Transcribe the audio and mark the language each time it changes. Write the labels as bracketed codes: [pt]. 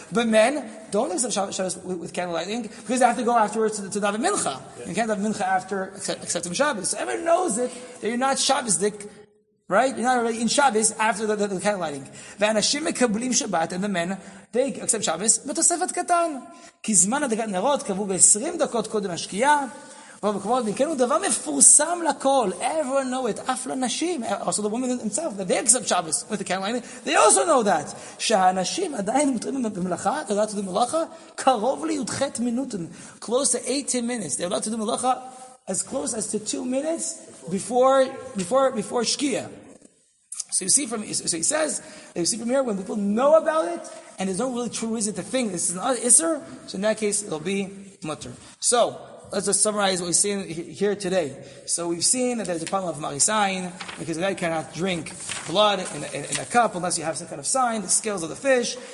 [en] But men don't accept Shabbos with candlelighting because they have to go afterwards to daven mincha. Yeah. You can't have mincha after accepting Shabbos. So everyone knows it, that you're not Shabbosdik. Right? You're not really in Shabbos after the candlelighting. [he] Ve'anashim mekablim Shabbat, [en] and the men, they accept Shabbos, [he] בתוספת קטן. כי זמן הדלקת נרות קבעו ב-20 דקות קודם השקיעה, ובקבוד, וכן הוא דבר מפורסם לכל. [en] Everyone know it. [he] אף לנשים, [en] also the woman himself, that they accept Shabbos with the candlelighting, they also know that. [he] שהאנשים עדיין מותרים במלאכה, [en] they're allowed to do מלאכה, [he] קרוב ל-י"ח מינוטן, [en] close to 18 minutes. They're allowed to do מלאכה as close as to 2 minutes before Shkia. So you see from, so he says, you see from here, when people know about it, and there's no really true reason to think this is not Isser, so in that case, it'll be Mutter. So, let's just summarize what we've seen here today. So we've seen that there's a problem of Marisain, because a guy cannot drink blood in a cup unless you have some kind of sign, the scales of the fish.